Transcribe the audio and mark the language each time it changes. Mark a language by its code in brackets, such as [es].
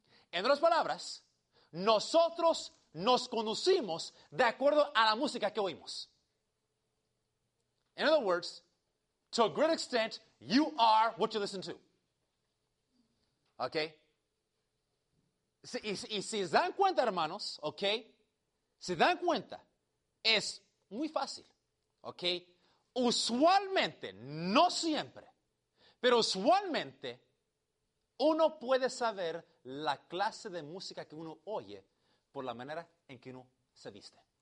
[es] En otras palabras, nosotros nos conducimos de acuerdo a la música que oímos. [en] In other words, to a great extent, you are what you listen to. ¿Ok? [es] Y si se dan cuenta, hermanos, ¿ok? Si dan cuenta, es muy fácil, ¿ok? Usualmente, no siempre, pero usualmente, uno puede saber la clase de música que uno oye por la manera en que uno se viste.